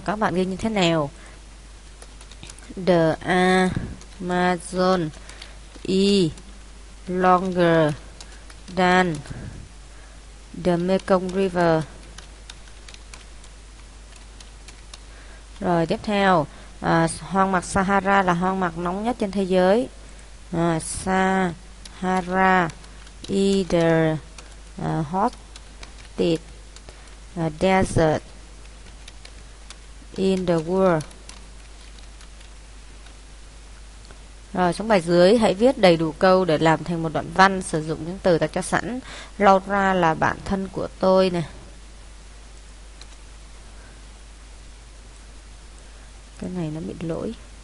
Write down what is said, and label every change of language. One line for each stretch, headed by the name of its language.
Vietnamese: Các bạn ghi như thế nào?
English: The Amazon is longer than The Mekong River.
Vietnamese: Rồi tiếp theo, hoang mạc Sahara là hoang mạc nóng nhất trên thế giới.
English: Sahara is the hottest desert in the world.
Vietnamese: Rồi xuống bài dưới, hãy viết đầy đủ câu để làm thành một đoạn văn sử dụng những từ ta cho sẵn. Laura là bạn thân của tôi nè. Cái này nó bị lỗi.